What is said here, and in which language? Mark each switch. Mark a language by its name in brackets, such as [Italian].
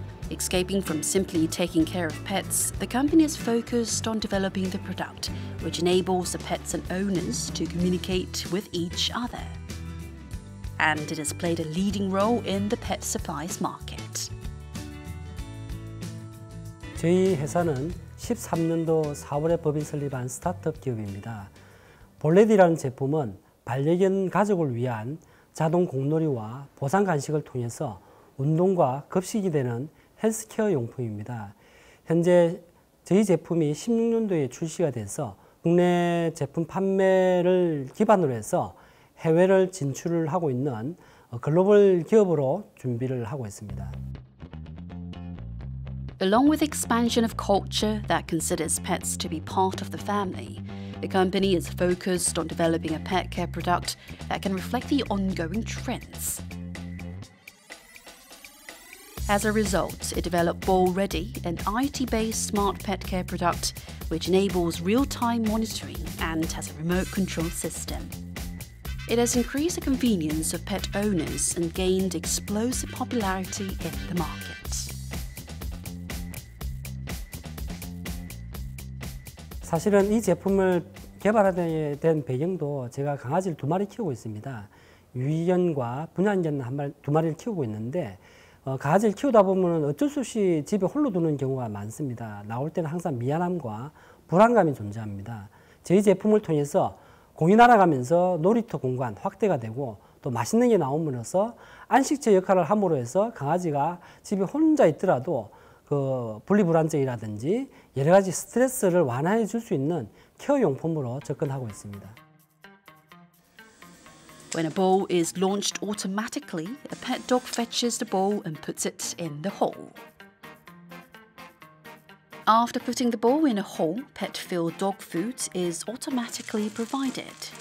[English] Escaping from simply taking care of pets, the company is focused on developing the product, which enables the pets and owners to communicate with each other. And it has played a leading role in the pet supplies market. [Korean] 저희 회사는 13년도 4월에 법인 설립한 스타트업 기업입니다. 볼레디라는 제품은 반려견 가족을 위한 자동 공놀이와 보상 간식을 통해서 운동과 급식이 되는 헬스케어 용품입니다. 현재 저희 제품이 16년도에 출시가 돼서 국내 제품 판매를 기반으로 해서 해외를 진출을 하고 있는 글로벌 기업으로 준비를 하고 있습니다. [English] Along with expansion of culture that considers pets to be part of the family, the company is focused on developing a pet care product that can reflect the ongoing trends. As a result, it developed Ballready, an IoT-based smart pet care product which enables real-time monitoring and has a remote control system. It has increased the convenience of pet owners and gained explosive popularity in the market. [Korean] 사실은 이 제품을 개발하게 된 배경도 제가 강아지를 두 마리 키우고 있습니다. 유기견과 분양견 두 마리를 키우고 있는데 강아지를 키우다 보면 어쩔 수 없이 집에 홀로 두는 경우가 많습니다. 나올 때는 항상 미안함과 불안감이 존재합니다. 저희 제품을 통해서 공이 날아가면서 놀이터 공간 확대가 되고 또 맛있는 게 나오면서 안식처 역할을 함으로 해서 강아지가 집에 혼자 있더라도 그 분리불안증이라든지 여러 가지 스트레스를 완화해 줄 수 있는 케어 용품으로 접근하고 있습니다. [English] When a ball is launched automatically, a pet dog fetches the ball and puts it in the hole. After putting the ball in a hole, pet fill dog food is automatically provided.